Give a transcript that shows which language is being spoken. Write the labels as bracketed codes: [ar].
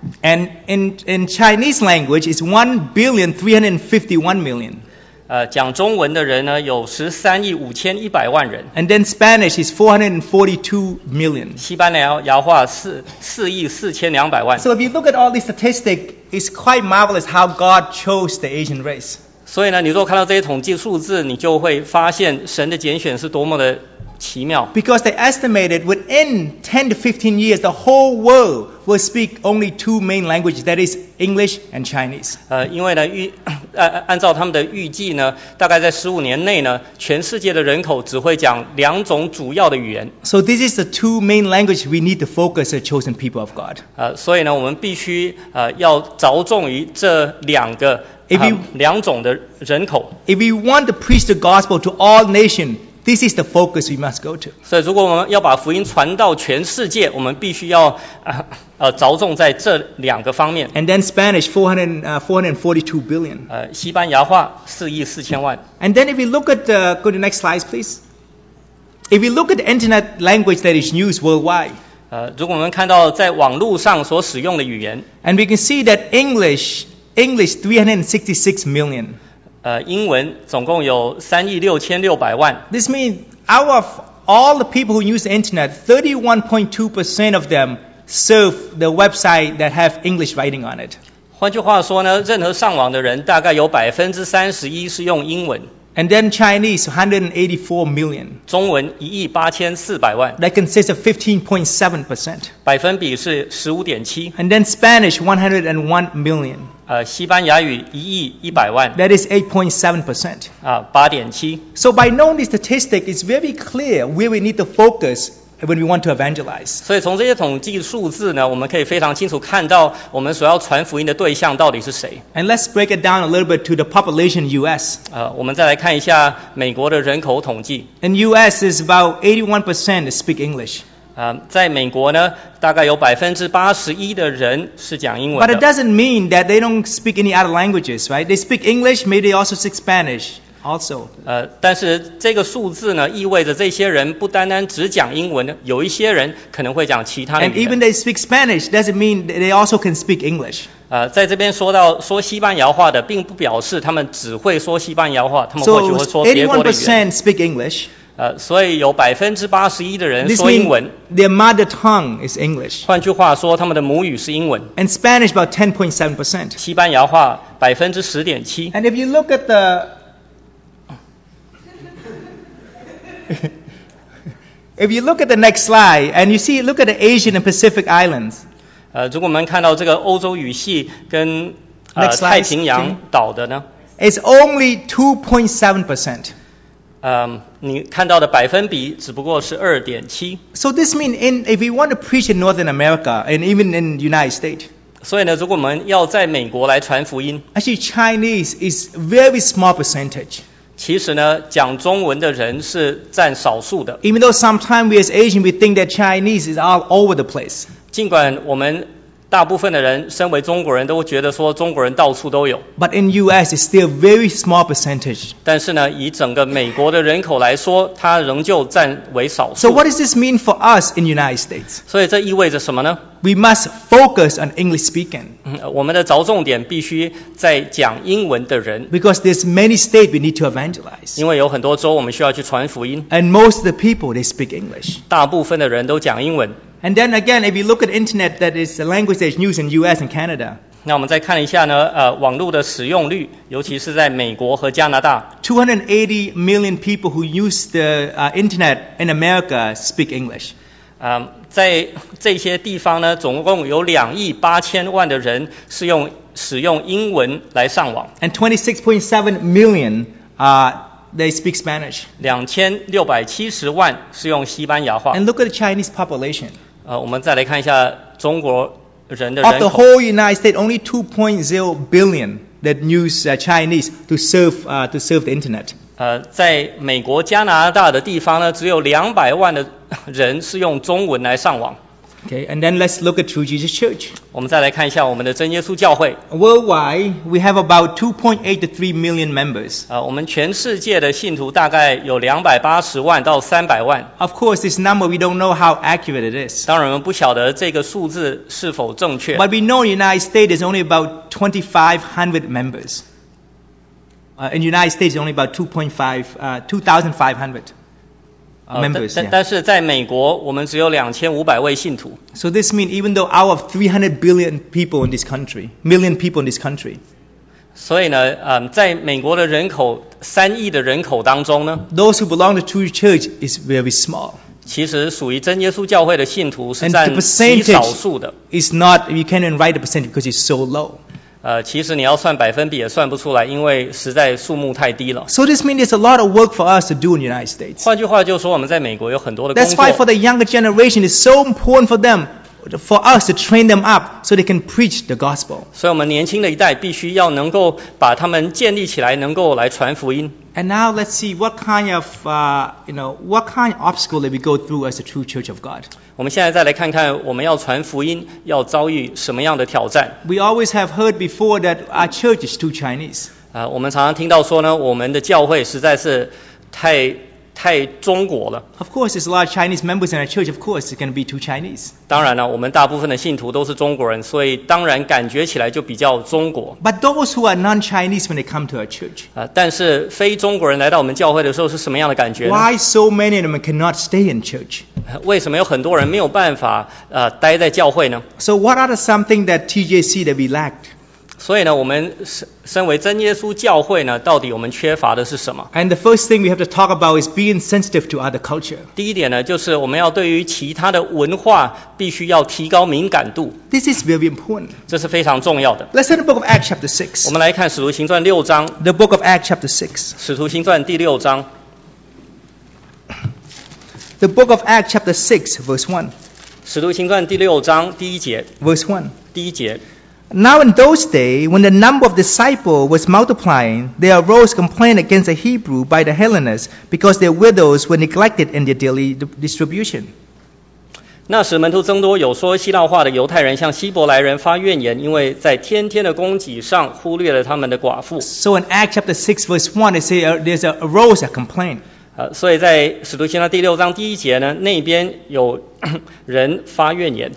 [en] And in Chinese language, it's 1,351,000,000. [zh] 讲中文的人呢有135,100,000人。 [en] And then Spanish is 442 million. [zh] 西班牙话4,420,000,000。 [en] So if you look at all these statistics, it's quite marvelous how God chose the Asian race. [zh] 所以呢，你如果看到这些统计数字，你就会发现神的拣选是多么的奇妙。 [en] Because they estimated within 10 to 15 years, the whole world will speak only two main languages, that is English and Chinese. [zh] 因为呢，按照他们的预计呢，大概在15年内呢，全世界的人口只会讲两种主要的语言。 [en] So this is the two main languages we need to focus the chosen people of God. [zh] 所以呢，我们必须要着重于这两个两种的人口。 [en] If we want to preach the gospel to all nations,This is the focus we must go to. [zh] 所以，如果我们要把福音传到全世界，我们必须要着重在这两个方面。 [en] And then Spanish 442 billion. [zh] 西班牙话4,400,000. [en] And then if we look at go to the next slide, please. If we look at the internet language that is used worldwide. [zh] 如果我们看到在网络上所使用的语言。 [en] And we can see that English 366 million. [zh] 英文总共有3,600,000,000。 [en] This means out of all the people who use the internet, 31.2% of them serve the website that have English writing on it. [zh] 换句话说呢，任何上网的人大概有31%是用英文。 [en] And then Chinese 184 million. [zh] 中文1,840,000,000。 [en] That consists of 15.7%. [zh] 百分比是15.7%。 [en] And then Spanish 101 million. [zh] 西班牙语1,100,000。 [en] That is 8.7%. [zh] 八点七。 [en] So by knowing the statistic, it's very clear where we need to focus when we want to evangelize. [zh] 所以从这些统计数字呢，我们可以非常清楚看到我们所要传福音的对象到底是谁。 [en] And let's break it down a little bit to the population U.S. [zh] 我们再来看一下美国的人口统计。 [en] In U.S. is about 81% speak English. [zh] 在美国呢，大概有81%的人是讲英文的。 [en] But it doesn't mean that they don't speak any other languages, right? They speak English, maybe they also speak Spanish. Also, [zh] 但是这个数字呢，意味着这些人不单单只讲英文，有一些人可能会讲其他的语言。 [en] And even they speak Spanish, doesn't mean they also can speak English. [zh] 在这边说到说西班牙话的，并不表示他们只会说西班牙话，他们或许会说别国的语言。 [en] So 81% speak English. [zh] 所以有81%的人说英文。 [en] Their mother tongue is English. [zh] 换句话说，他们的母语是英文。 [en] And Spanish about 10.7%. [zh] 西班牙话10.7%. [en] And if you look at the If you look at the next slide, and you see, look at the Asian and Pacific Islands. [zh] 如果我们看到这个欧洲语系跟太平洋岛的呢 [en] ，It's only 2.7%. [zh] 你看到的百分比只不过是2.7%. [en] So this means, if we want to preach in Northern America and even in the United States. [zh] 所以呢，如果我们要在美国来传福音 [en] ，Actually, Chinese is very small percentage. [zh] 其实呢，讲中文的人是占少数的。 [en] Even though sometimes we as Asian we think that Chinese is all over the place. [zh] 尽管我们大部分的人身为中国人都觉得说中国人到处都有。 [en] But in US it's still very small percentage. [zh] 但是呢，以整个美国的人口来说，它仍旧占为少数。 [en] So what does this mean for us in United States? [zh] 所以这意味着什么呢？ [en] We must focus on English speaking. [zh] 我们的着重点必须在讲英文的人。 [en] Because there's many states we need to evangelize. [zh] 因为有很多州我们需要去传福音。 [en] And most of the people they speak English. [zh] 大部分的人都讲英文。 [en] And then again, if you look at the internet, that is the language that is used in U.S. and Canada. [zh] 那我们再看一下呢，网络的使用率，尤其是在美国和加拿大。 [en] 280 million people who use the internet in America speak English. [zh] 在这些地方呢，总共有2.8亿的人是用使用英文来上网。 [en] And 26.7 million they speak Spanish. [zh] 2,670,000是用西班牙话。 [en] And look at the Chinese population. [zh] 我们再来看一下中国人的人口。 [en] Of the whole United States, only 2.0 billion that use Chinese to serve the internet. [zh] 在美国、加拿大的地方呢，只有200,000的人是用中文来上网。 [en] Okay, and then let's look at True Jesus Church. [zh] 我们再来看一下我们的真耶稣教会。 [en] Worldwide, we have about 2.8 to 3 million members. [zh] 我们全世界的信徒大概有280,000到300,000。 [en] Of course, this number we don't know how accurate it is. [zh] 当然我们不晓得这个数字是否正确。 [en] But we know the United States is only about 2,500 members. In the United States, only about 2,500. Members, [zh] 但是在美国，我们只有2,500信徒。 [en] So this means even though out of 300 billion people in this country, million people in this country. [zh] 所以呢，在美国的人口3亿的人口当中呢 [en] ，Those who belong to True Church is very small. [zh] 其实属于真耶稣教会的信徒是占极少数的。 [en] Is not you can't even write the percentage because it's so low. [zh] 其实你要算百分比也算不出来，因为实在数目太低了。 [en] So this means it's a lot of work for us to do in the United States. [zh] 换句话就是说，我们在美国有很多的工作。 [en] That's why for the younger generation, it's so important for them, for us to train them up so they can preach the gospel. [zh] 所以我们年轻的一代必须要能够把他们建立起来，能够来传福音。 [en] And now let's see what kind of, what kind of obstacle that we go through as a true church of God. [zh] 我们现在再来看看我们要传福音要遭遇什么样的挑战。 [en] We always have heard before that our church is too Chinese. [zh] 我们常常听到说呢，我们的教会实在是太中国了。 [en] Of course, there's a lot of Chinese members in our church. Of course, it's going to be too Chinese. [zh] 当然了，我们大部分的信徒都是中国人，所以当然感觉起来就比较中国。 [en] But those who are non-Chinese when they come to our church. [zh] 但是非中国人来到我们教会的时候是什么样的感觉呢 [en] ？Why so many of them cannot stay in church? [zh] 为什么有很多人没有办法待在教会呢 [en] ？So what are the something that TJC that we lacked? [zh] 所以呢，我们身为真耶稣教会呢，到底我们缺乏的是什么 [en] ？And the first thing we have to talk about is being sensitive to other culture. [zh] 第一点呢，就是我们要对于其他的文化必须要提高敏感度。 [en] This is very important. [zh] 这是非常重要的。 [en] Let's turn to the book of Acts chapter 6. [zh] 我们来看使徒行传六章。 [en] The book of Acts chapter 6. [zh] 使徒行传第六章。 [en] The book of Acts, chapter 6, verse 1. [zh] 使徒行传第六章第一节。 [en] Verse 1. [zh] 第一节。 [en] Now in those days, when the number of disciples was multiplying, there arose complaint against the Hebrew by the Hellenists, because their widows were neglected in their daily distribution. [zh] 那时门徒增多，有说希腊话的犹太人向希伯来人发怨言，因为在天天的供给上忽略了他们的寡妇。 [en] So in Acts chapter 6 verse 1, it says there's arose a complaint. [zh] 所以在使徒行传第六章第一节呢，那边有人发怨言。